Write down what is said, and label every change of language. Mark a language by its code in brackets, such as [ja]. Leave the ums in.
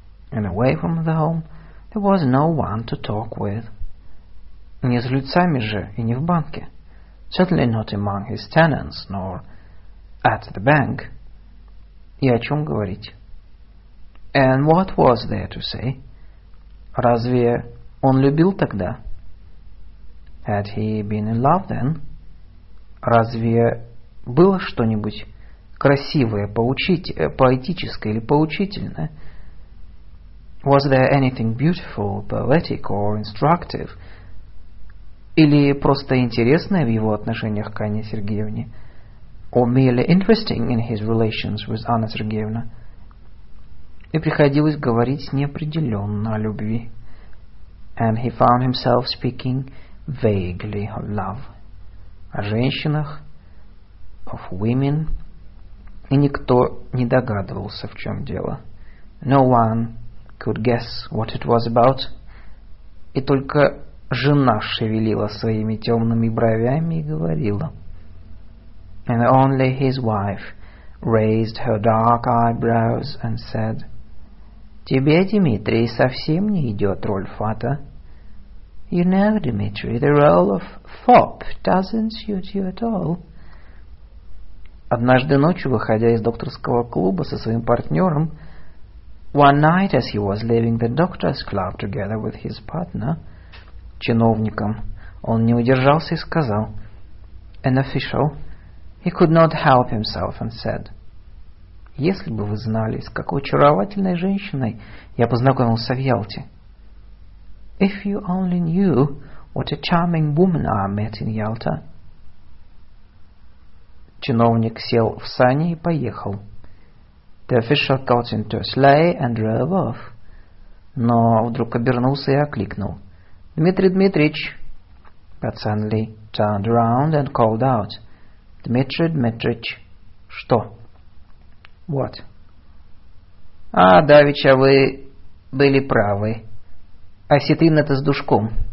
[en] And away from the home there was no one to talk with. [ru] Не с лицами же и не в банке. [en] Certainly not among his tenants, nor at the bank. [ru] И о чем говорить? [en] And what was there to say? [ru] Разве он любил тогда? [en] Had he been in love then? [ru] Разве было что-нибудь красивое, поучить, поэтическое или поучительное? [en] Was there anything beautiful, poetic or instructive? [ru] Или просто интересное в его отношениях к Анне Сергеевне? [en] Or merely interesting in his relations with Anna Sergeevna? [ru] И приходилось говорить неопределенно о любви. [en] And he found himself speaking vaguely of love. [ru] О женщинах, [en] of women, [ru] и никто не догадывался, в чем дело. [en] No one could guess what it was about. [ru] И только жена шевелила своими темными бровями и говорила. [en] And only his wife raised her dark eyebrows and said, [ru] Тебе, Дмитрий, совсем не идет роль фата. [en] You know, Dmitry, the role of fop doesn't suit you at all. [ru] Однажды ночью, выходя из докторского клуба со своим партнером, [en] one night as he was leaving the doctor's club together with his partner, [ru] чиновником, он не удержался и сказал, [en] an official, he could not help himself and said, [ru] если бы вы знали, с какой очаровательной женщиной я познакомился в Ялте. [en] If you only knew what a charming woman I met in Yalta — [ru] Чиновник сел в сани и поехал. [en] The official got into a sleigh and drove off. [ru] Но вдруг обернулся и окликнул. [en] Дмитрий Дмитрич. But suddenly turned around and called out. [ru] Дмитрий Дмитрич. Что? [en] What? [ru] Вот. А, Давича, вы были правы. А Осетрин это с душком.